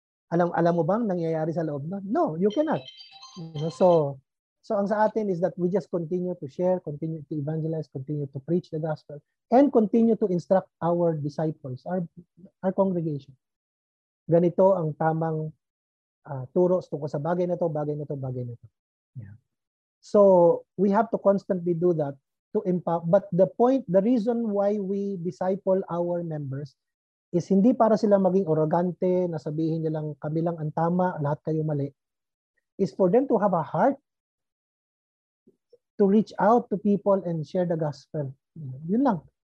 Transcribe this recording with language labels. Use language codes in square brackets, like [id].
[tl] Alam mo bang nangyayari sa loob na? [en] No, you cannot. So [tl] ang sa atin [en] is that we just continue to share, continue to evangelize, continue to preach the gospel, and continue to instruct our disciples, our congregation. [tl] Ganito ang tamang turo tungkol sa bagay na to, bagay na to, bagay na to. [en] Yeah. So we have to constantly do that to impact. But the reason why we disciple our members is [tl] hindi para sila maging arrogante, nasabihin nyo lang kami lang ang tama, lahat kayo mali. [en] Is for them to have a heart to reach out to people and share the gospel. [tl] Yun lang.